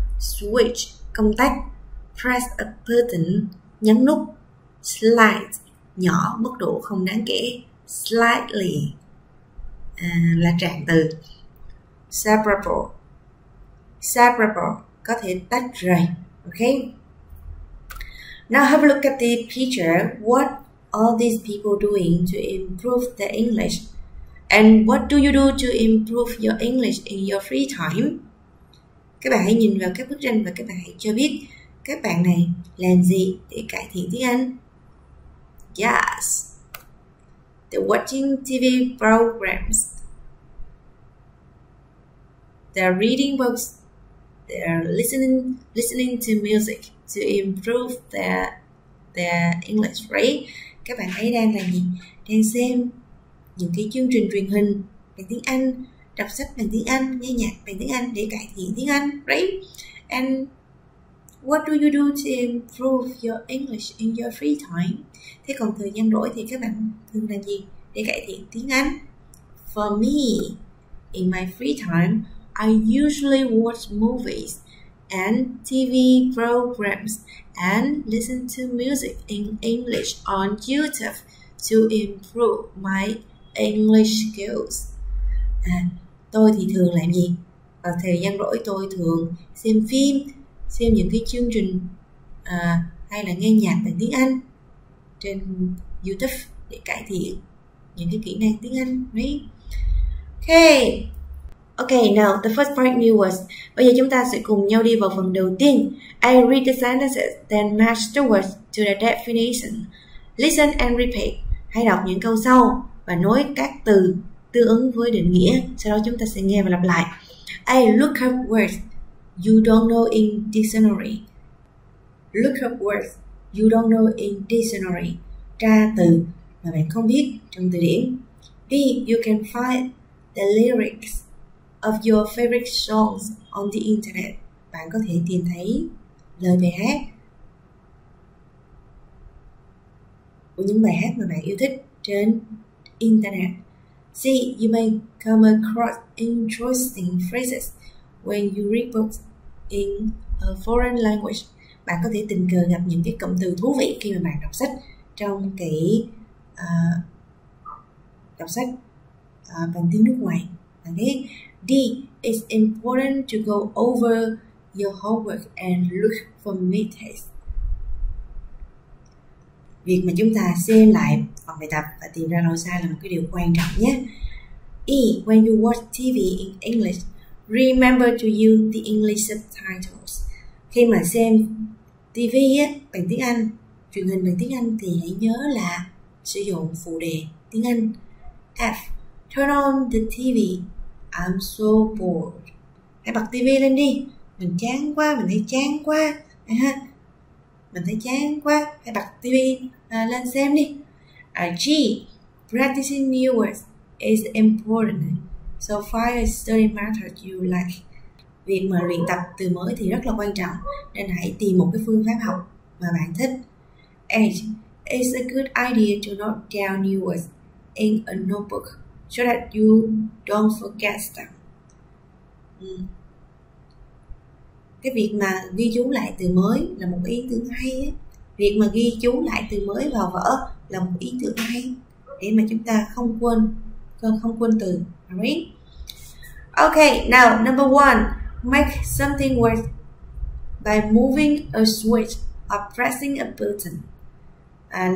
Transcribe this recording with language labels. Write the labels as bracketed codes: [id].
[en] Switch, [vi] công tắc. [en] Press a button, [vi] nhấn nút. Slight, nhỏ, mức độ không đáng kể. Slightly, là trạng từ. Separable, có thể tách rời. [en] Okay. Now have a look at the picture. What all these people doing to improve their English? And what do you do to improve your English in your free time? [vi] Các bạn hãy nhìn vào các bức tranh và các bạn hãy cho biết các bạn này làm gì để cải thiện tiếng Anh? [en] Yes. They're watching TV programs. They're reading books. They're listening to music to improve their English, right? [vi] Các bạn ấy đang làm gì? Đang xem những cái chương trình truyền hình bằng tiếng Anh, đọc sách bằng tiếng Anh, nghe nhạc bằng tiếng Anh để cải thiện tiếng Anh, right? [en] And what do you do to improve your English in your free time? [vi] Thế còn thời gian rỗi thì các bạn thường làm gì để cải thiện tiếng Anh? [en] For me, in my free time, I usually watch movies and TV programs and listen to music in English on YouTube to improve my English skills. [vi] Tôi thì thường làm gì? Vào thời gian rỗi tôi thường xem phim, xem những cái chương trình hay là nghe nhạc bằng tiếng Anh trên YouTube để cải thiện những cái kỹ năng tiếng Anh, right? Okay. [en] Okay, now the first part new words. [vi] Bây giờ chúng ta sẽ cùng nhau đi vào phần đầu tiên. [en] I read the sentences, then match the words to the definition. Listen and repeat. [vi] Hãy đọc những câu sau và nối các từ tương ứng với định nghĩa. Sau đó chúng ta sẽ nghe và lặp lại. [en] I look up words you don't know in dictionary. Look up words you don't know in dictionary. [vi] Tra từ mà bạn không biết trong từ điển. [en] B, you can find the lyrics of your favorite songs on the internet. [vi] Bạn có thể tìm thấy lời bài hát của những bài hát mà bạn yêu thích trên internet. [en] C, you may come across interesting phrases when you read books in a foreign language. [vi] Bạn có thể tình cờ gặp những cái cụm từ thú vị khi mà bạn đọc sách trong cái bằng tiếng nước ngoài. [en] Okay. D, it's important to go over your homework and look for mistakes. [vi] Việc mà chúng ta xem lại phần bài tập và tìm ra lỗi sai là một cái điều quan trọng nhé. [en] E, when you watch TV in English, remember to use the English subtitles. [vi] Khi mà xem TV á, bằng tiếng Anh, truyền hình bằng tiếng Anh thì hãy nhớ là sử dụng phụ đề tiếng Anh. [en] F, turn on the TV. I'm so bored. [vi] Hãy bật TV lên đi. mình chán quá, mình thấy chán quá, mình thấy chán quá, hãy bật TV lên xem đi. [en] G, practicing new words is important, so find a study method you like. [vi] Việc mà luyện tập từ mới thì rất là quan trọng, nên hãy tìm một cái phương pháp học mà bạn thích. [en] H, it's a good idea to note down new words in a notebook so that you don't forget them. [vi] Cái việc mà ghi chú lại từ mới là một ý tưởng hay á. Việc mà ghi chú lại từ mới vào vở là một ý tưởng hay để mà chúng ta không quên từ. [en] Alright. Okay, now number one, make something work by moving a switch or pressing a button.